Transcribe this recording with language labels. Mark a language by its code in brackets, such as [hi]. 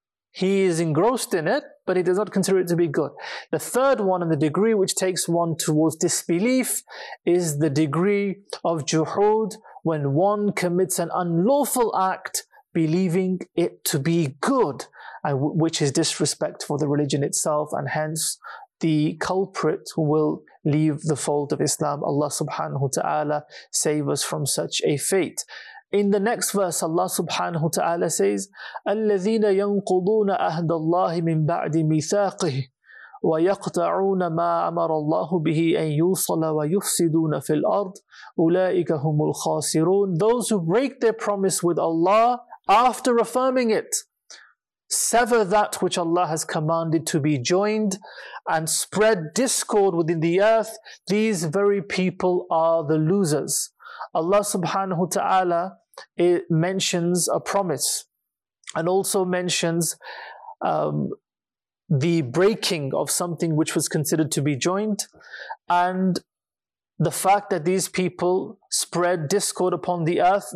[en] He is engrossed in it, but he does not consider it to be good. The third one, and the degree which takes one towards disbelief, is the degree of juhud, when one commits an unlawful act, believing it to be good, which is disrespect for the religion itself, and hence the culprit will leave the fold of Islam. Allah subhanahu wa ta'ala save us from such a fate. In the next verse, Allah subhanahu wa ta'ala says, [ar] الَّذِينَ يَنْقُضُونَ أَهْدَ اللَّهِ مِنْ بَعْدِ مِيثَاقِهِ وَيَقْطَعُونَ مَا أَمَرَ اللَّهُ بِهِ أَنْ يُوصَلَ وَيُفْسِدُونَ فِي الْأَرْضِ أُولَٰئِكَ هُمُ الْخَاسِرُونَ. [en] Those who break their promise with Allah after affirming it, sever that which Allah has commanded to be joined, and spread discord within the earth, these very people are the losers. Allah subhanahu wa ta'ala mentions a promise and also mentions the breaking of something which was considered to be joined, and the fact that these people spread discord upon the earth.